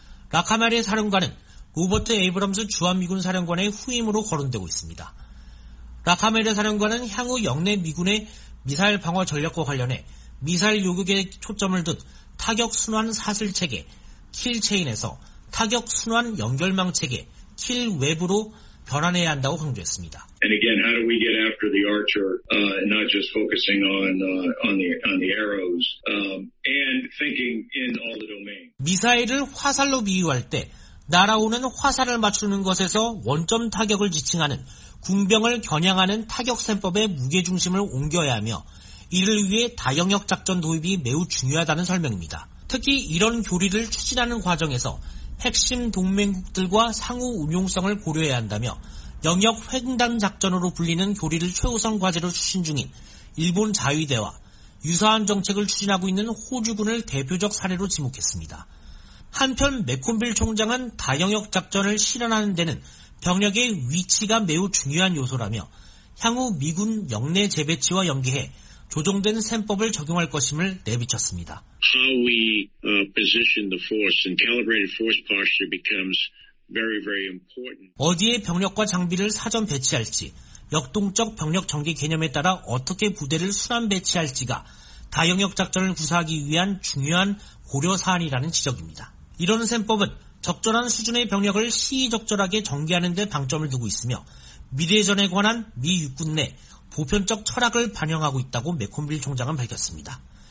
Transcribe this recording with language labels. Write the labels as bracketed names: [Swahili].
[Korean] 라카마리 사령관은 로버트 에이브럼스 주한미군 사령관의 후임으로 거론되고 있습니다. 라카메르 사령관은 향후 영내 미군의 미사일 방어 전력과 관련해 미사일 요격에 초점을 둔 타격 순환 사슬 체계, 킬 체인에서 타격 순환 연결망 체계, 킬 웹으로 변환해야 한다고 강조했습니다. [English] And again, how do we get after the archer, not just focusing on the arrows, and thinking in all the domains. [Korean] 미사일을 화살로 비유할 때 날아오는 화살을 맞추는 것에서 원점 타격을 지칭하는 궁병을 겨냥하는 타격셈법의 무게중심을 옮겨야 하며 이를 위해 다영역 작전 도입이 매우 중요하다는 설명입니다. 특히 이런 교리를 추진하는 과정에서 핵심 동맹국들과 상호 운용성을 고려해야 한다며 영역 횡단 작전으로 불리는 교리를 최우선 과제로 추진 중인 일본 자위대와 유사한 정책을 추진하고 있는 호주군을 대표적 사례로 지목했습니다. 한편 맥콤빌 총장은 다영역 작전을 실현하는 데는 병력의 위치가 매우 중요한 요소라며 향후 미군 역내 재배치와 연계해 조정된 셈법을 적용할 것임을 내비쳤습니다. [English] How we position the force and calibrated force posture becomes very, very important. [Korean] 어디에 병력과 장비를 사전 배치할지, 역동적 병력 전개 개념에 따라 어떻게 부대를 순환 배치할지가 다영역 작전을 구사하기 위한 중요한 고려 사안이라는 지적입니다. 이런 셈법은 적절한 수준의 병력을 시의적절하게 전개하는 데 방점을 두고 있으며 미래전에 관한 미 육군 내 보편적 철학을 반영하고 있다고 맥콤빌 총장은 밝혔습니다.